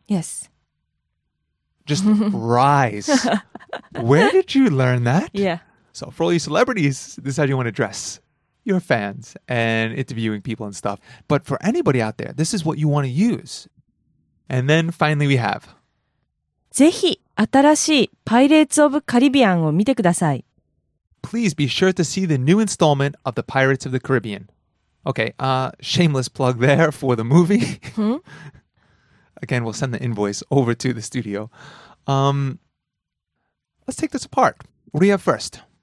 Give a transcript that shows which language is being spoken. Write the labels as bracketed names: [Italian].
[English] Yes. Just rise. Where did you learn that? Yeah. So for all you celebrities, this is how you want to dress your fans and interviewing people and stuff. But for anybody out there, this is what you want to use. And then finally we have. [Japanese] ぜひ新しいパイレーツオブカリビアンを見てください. [English] Please be sure to see the new installment of the Pirates of the Caribbean. Okay, shameless plug there for the movie. Again, we'll send the invoice over to the studio. Let's take this apart. What do you have first?